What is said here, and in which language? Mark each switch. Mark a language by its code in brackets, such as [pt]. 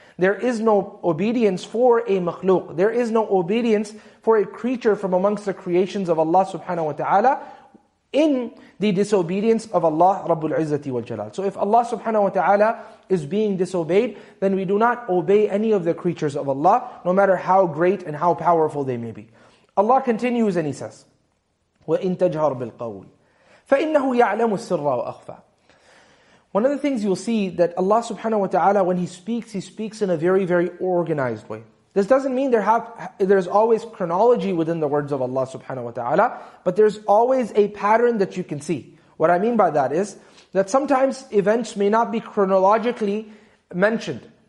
[en] There is no obedience for a makhluq. There is no obedience for a creature from amongst the creations of Allah subhanahu wa ta'ala in the disobedience of Allah Rabbul Izzati wal Jalal. So if Allah subhanahu wa ta'ala is being disobeyed, then we do not obey any of the creatures of Allah, no matter how great and how powerful they may be. Allah continues and He says, [ar] وَإِن تَجْهَرْ بِالْقَوْلِ فَإِنَّهُ يَعْلَمُ السِّرَّ وَأَخْفَى. [en] One of the things you'll see that Allah subhanahu wa ta'ala, when He speaks in a very, very organized way. This doesn't mean there's always chronology within the words of Allah subhanahu wa ta'ala, but there's always a pattern that you can see. What I mean by that is that sometimes events may not be chronologically mentioned.